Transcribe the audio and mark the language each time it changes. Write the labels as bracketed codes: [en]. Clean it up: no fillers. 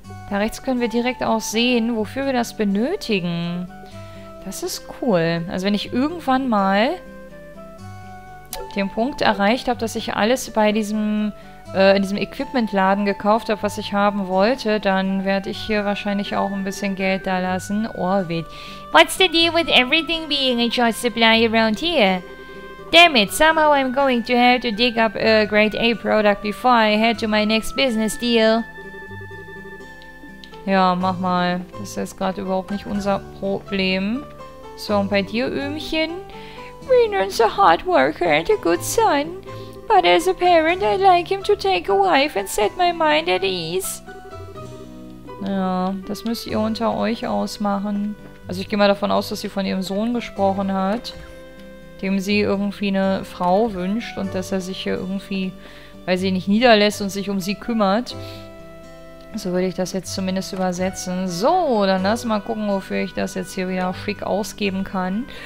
[de] Da rechts können wir direkt auch sehen, wofür wir das benötigen. Das ist cool. Also wenn ich irgendwann mal den Punkt erreicht habe, dass ich alles bei diesem... in diesem Equipment-Laden gekauft habe, was ich haben wollte, dann werde ich hier wahrscheinlich auch ein bisschen Geld da lassen. Orbit. [en] What's the deal with everything being in short supply around here? Damn it, somehow I'm going to have to dig up a grade A product before I head to my next business deal. [de] Ja, mach mal. Das ist gerade überhaupt nicht unser Problem. So, und bei dir, Ümchen? [en] Renan's a hard worker and a good son. But as a parent, I'd like him to take a wife and set my mind at ease. [de] Ja, das müsst ihr unter euch ausmachen. Also ich gehe mal davon aus, dass sie von ihrem Sohn gesprochen hat, dem sie irgendwie eine Frau wünscht und dass er sich hier irgendwie, weil sie nicht niederlässt und sich um sie kümmert. So würde ich das jetzt zumindest übersetzen. So, dann lass mal gucken, wofür ich das jetzt hier wieder schick ausgeben kann.